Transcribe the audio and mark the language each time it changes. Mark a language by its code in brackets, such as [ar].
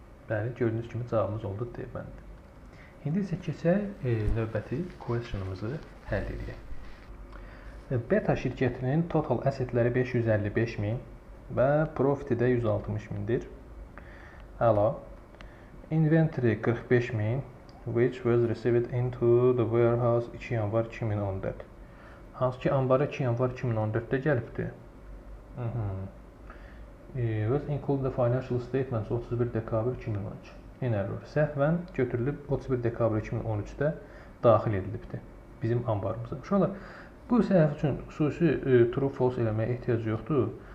[az] Bəli, gördüyünüz kimi cavabımız oldu D bəndi. İndi isə keçək növbəti question-ımızı həll edək. Beta şirkətinin total assetləri 555 min və profiti də 160 mindir. Əla. [en] Inventory 45 min, which was received into the warehouse [az] 2 yanvar 2014. Hansı ki ambara 2 yanvar 2014-də gəlibdir. [en] Was included the financial statements [az] 31 dekabr 2013. Yenə error. Səhvən götürülüb 31 dekabr 2013-də daxil edilibdir bizim ambarımıza. Uşaqlar, bu səhv üçün xüsusi true false eləməyə ehtiyac yoxdur.